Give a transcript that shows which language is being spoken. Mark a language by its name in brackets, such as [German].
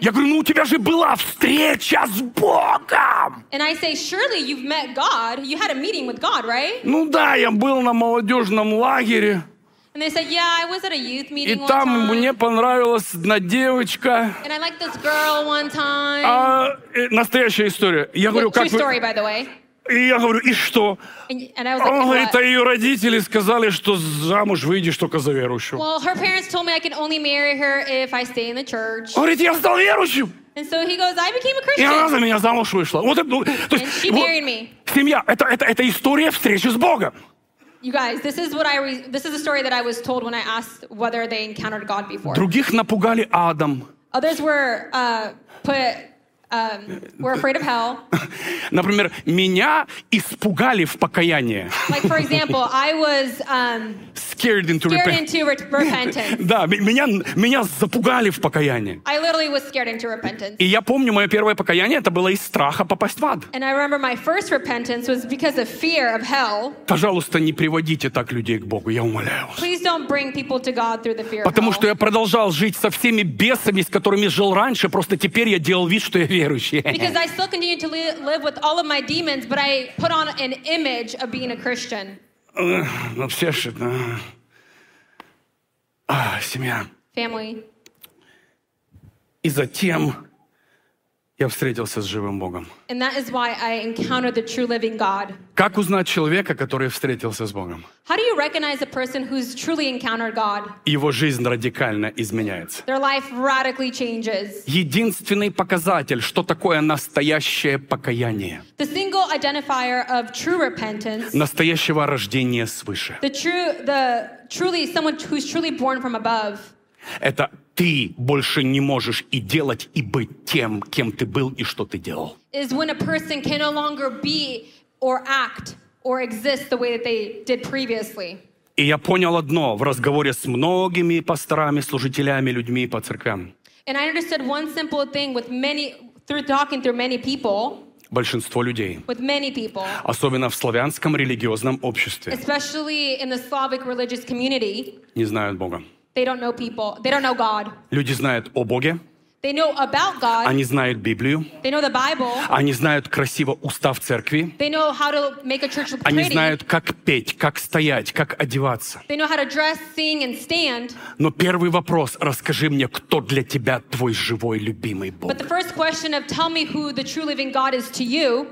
[Russian] Я говорю, ну у тебя же была встреча с Богом. [English] And I say, surely you've met God. You had a meeting with God, right? [Russian] Ну да, я был на молодежном лагере. [English] And they said, yeah, I was at a youth meeting one time. [Russian] И там мне понравилась одна девочка. [English] And I liked this girl one time. [Russian] А настоящая история. Я говорю, как [English] true story, by the way. [Russian] И я говорю, и что? [English] And I was [Russian] он [English] like, [Russian] говорит, а ее родители сказали, что замуж выйдешь только за верующего. [English] Well, her parents told me I can only marry her if I stay in the church. [Russian] Он говорит, я стал верующим. [English] And so he goes, I became a Christian. [Russian] И она за меня замуж вышла. Вот это, то есть, [English] and she married [Russian] вот, [English] me. [Russian] Семья, это история встречи с Богом. [English] You guys, this is a story that I was told when I asked whether they encountered God before. [Russian] Других напугали адом. [English] Others were put... we're afraid of hell. [Russian] Например, меня испугали в покаянии. [English] Like, for example, I was scared into repentance. [Russian] Да, меня запугали в покаяние. [English] I literally was scared into repentance. [Russian] И я помню, мое первое покаяние, это было из страха попасть в ад. [English] And I remember my first repentance was because of fear of hell. [Russian] Пожалуйста, не приводите так людей к Богу, я умоляю вас. [English] Please don't bring people to God through the fear of hell. [Russian] Потому что я продолжал жить со всеми бесами, с которыми жил раньше, просто теперь я делал вид, что я верующий. [English] Because I still continue to live with all of my demons, but I put on an image of being a Christian. [Russian] Ну, все же, ну... А, семья. [English] Family. [Russian] И затем я встретился с живым Богом. [English] And that is why I encountered the true living God. [Russian] Как узнать человека, который встретился с Богом? [English] How do you recognize a person who's truly encountered God? [Russian] Его жизнь радикально изменяется. [English] Their life radically changes. [Russian] Единственный показатель, что такое настоящее покаяние. [English] The single identifier of true repentance. [Russian] Настоящего рождения свыше. [English] The truly someone who's truly born from above. [Russian] Это ты больше не можешь и делать, и быть тем, кем ты был и что ты делал. [English] Is when a person can no longer be or act or exist the way that they did previously. [Russian] И я понял одно в разговоре с многими пасторами, служителями, людьми по церквям. [English] And I understood one simple thing with many through talking through many people. [Russian] Большинство людей, [English] with many people, [Russian] особенно в славянском религиозном обществе, [English] especially in the Slavic religious community, [Russian] не знают Бога. [English] They don't know people. They don't know God. [Russian] Люди знают о Боге. [English] They know about God. [Russian] Они знают Библию. [English] They know the Bible. [Russian] Они знают красиво устав церкви. [English] They know how to make a church look pretty. [Russian] Они знают, как петь, как стоять, как одеваться. [English] They know how to dress, sing, and stand. [Russian] Но первый вопрос, расскажи мне, кто для тебя твой живой, любимый Бог. [English] But the first question of tell me who the true living God is to you.